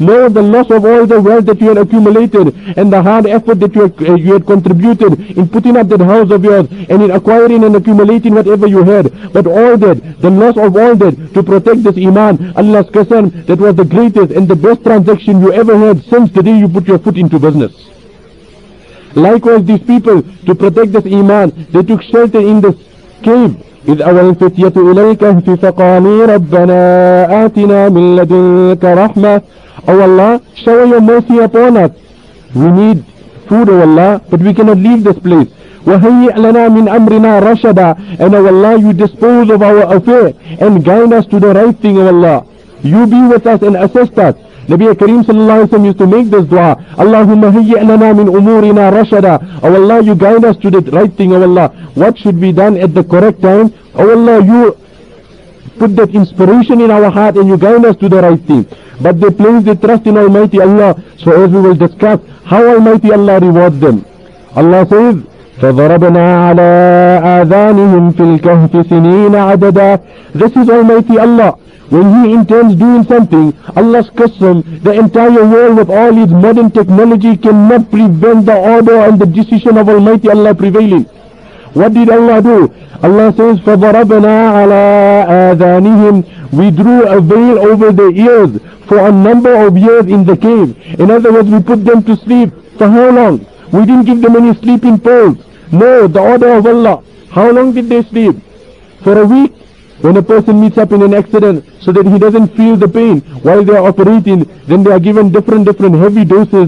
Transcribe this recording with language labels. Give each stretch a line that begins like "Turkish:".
English: No, the loss of all the wealth that you had accumulated and the hard effort that you had contributed in putting up that house of yours and in acquiring and accumulating whatever you had. But all that, the loss of all that to protect this Iman, Allah's that was the greatest and the best transaction you ever had since the day you put your foot into business. Likewise, these people, to protect this Iman, they took shelter in this cave.
Arabic: إِذْ أَوَى الْفِتْيَةُ إِلَى الْكَهْفِ فَقَالُوا رَبَّنَا آتِنَا مِنْ لَدُنْكَ رَحْمَةً.
English: Oh Allah, shower your mercy upon us. We need food, oh Allah, but we cannot leave this place.
Arabic: وَهَيِّئْ لَنَا مِنْ أَمْرِنَا رَشَدًا.
English: And oh Allah, you dispose of our affair and guide us to the right thing, oh Allah. You be with us and assist us.
Arabic: نبي كريم صلى الله عليه وسلم
English: used to make this dua.
Arabic: Allahumma hayyi lana min umurina rashada.
English: Oh Allah, you guide us to the right thing. Oh Allah, what should be done at the correct time? Oh Allah, you put that inspiration in our heart and you guide us to the right thing. But they place their trust in Almighty Allah. So as we will discuss, how Almighty Allah rewards them. Allah says,
Arabic: فَضَرَبْنَا عَلَىٰ آذَانِهِمْ فِي الْكَهْفِ سِنِينَ عَدَدًا.
English: This is Almighty Allah. When He intends doing something, Allah's custom, the entire world with all its modern technology cannot prevent the order and the decision of Almighty Allah prevailing. What did Allah do? Allah says,
Arabic: فَضَرَبْنَا عَلَىٰ آذَانِهِمْ.
English: We drew a veil over their ears for a number of years in the cave. In other words, we put them to sleep. For how long? We didn't give them any sleeping pills. No, the order of Allah. How long did they sleep? For a week. When a person meets up in an accident so that he doesn't feel the pain while they are operating, then they are given different heavy doses.